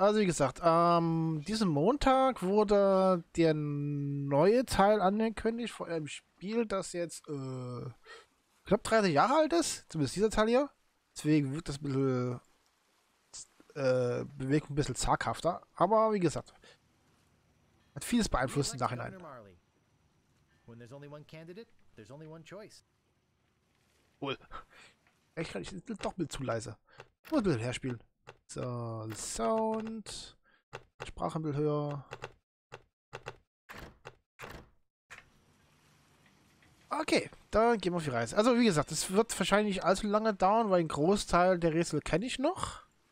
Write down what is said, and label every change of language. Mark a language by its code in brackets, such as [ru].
[de] Also, wie gesagt, diesen Montag wurde der neue Teil angekündigt vor einem Spiel, das jetzt knapp 30 Jahre alt ist. Zumindest dieser Teil hier. Deswegen wirkt das ein bisschen, bewegt ein bisschen zaghafter. Aber wie gesagt, hat vieles beeinflusst im Nachhinein. [en] When there's only one candidate, there's only one choice. [de] Cool. Echt, ich bin doch ein bisschen zu leise. Muss ein bisschen herspielen. So, Sound. Sprache ein bisschen höher. Okay, dann gehen wir auf die Reise. Also, wie gesagt, es wird wahrscheinlich nicht allzu lange dauern, weil einen Großteil der Rätsel kenne ich noch.